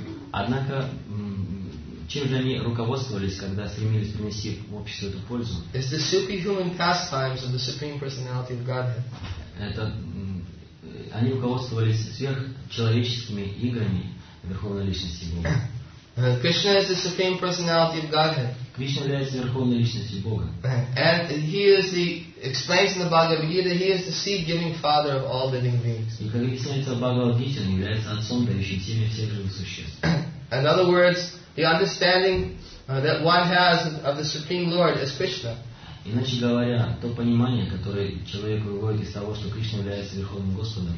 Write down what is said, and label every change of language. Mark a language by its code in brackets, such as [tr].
[ru] Однако чем же они руководствовались, когда стремились принести обществу эту пользу? [en] Is the superhuman pastimes of the Supreme Personality of Godhead. [ru] Это они руководствовались сверхчеловеческими играми Верховной Личности Бога. [en] Krishna is the Supreme Personality of Godhead. [ru] Кришна является Верховной Личностью Бога. [en] And he is the explains in the Bhagavad Gita, he is the seed giving father of all living beings. [ru] И как объясняется в Бхагавад Гите, он является отцом, дающим семя всех живых существ. [en] In other words, the understanding that one has of the Supreme Lord is Krishna. [ru] Иначе говоря, то понимание, которое человек выводит из того, что Кришна является Верховным Господом,